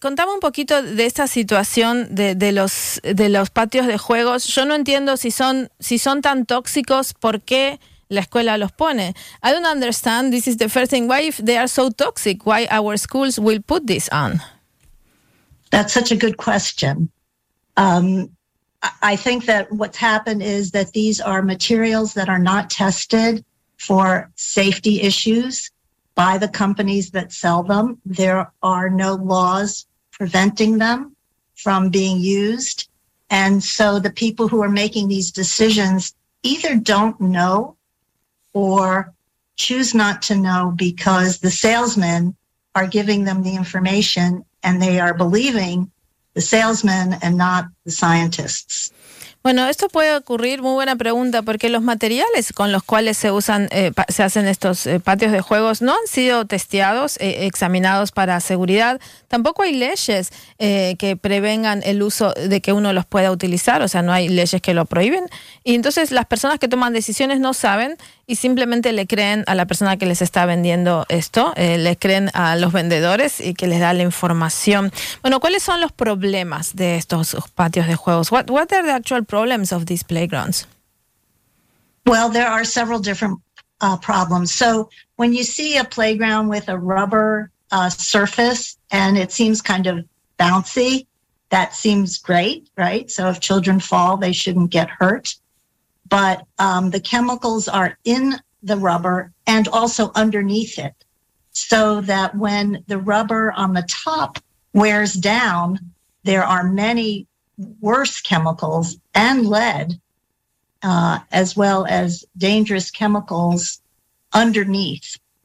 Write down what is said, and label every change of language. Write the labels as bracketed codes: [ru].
[es] Contame un poquito de esta situación de los patios de juegos. Yo no entiendo si son tan tóxicos, ¿por qué la escuela los pone? [en] I don't understand. This is the first thing. Why if they are so toxic, why our schools will put this on? That's such a good question. I think that what's happened is that these are materials that are not tested for safety issues by the companies that sell them. There are no laws preventing them from being used. And so the people who are making these decisions either don't know or choose not to know because the salesmen are giving them the information and they are believing the salesmen and not the scientists. [es] Bueno, esto puede ocurrir, muy buena pregunta, porque los materiales con los cuales se usan, se hacen estos patios de juegos no han sido testeados, examinados para seguridad. Tampoco hay leyes que prevengan el uso de que uno los pueda utilizar, o sea, no hay leyes que lo prohíben. Y entonces las personas que toman decisiones no saben y simplemente le creen a la persona que les está vendiendo esto, le creen a los vendedores y que les da la información. Bueno, ¿cuáles son los problemas de estos patios de juegos? [en] What are the actual problems of these playgrounds? Well, there are several different problems. So when you see a playground with a rubber surface and it seems kind of bouncy, that seems great, right? So if children fall, they shouldn't get hurt. But the chemicals are in the rubber and also underneath it, so that when the rubber on the top wears down, there are many worse chemicals and lead, as well as dangerous chemicals underneath.